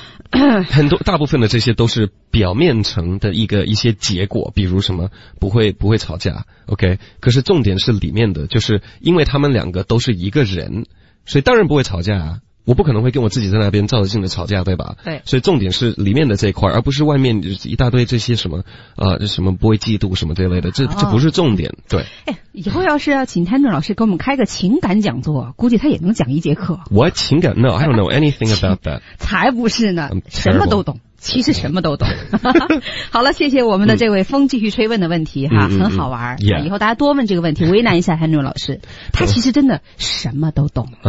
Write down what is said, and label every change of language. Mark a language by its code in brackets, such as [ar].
[zh] 很多大部分的这些都是表面层的一些结果，比如什么不会吵架 OK， 可是重点是里面的，就是因为他们两个都是一个人，所以当然不会吵架啊，我不可能会跟我自己在那边照着镜子吵架对吧，对，所以重点是里面的这一块，而不是外面一大堆这些什么什么不会嫉妒什么这类的，这不是重点。对，哎，以后要是要请谭正老师给我们开个情感讲座，估计他也能讲一节课。我情感 [en] No I don't know anything about that。 [zh] 才不是呢，什么都懂，其实什么都懂。好了，谢谢我们的这位风继续吹问的问题、嗯、哈、嗯，很好玩、嗯 yeah. 以后大家多问这个问题，为难一下谭正老师，他其实真的什么都懂。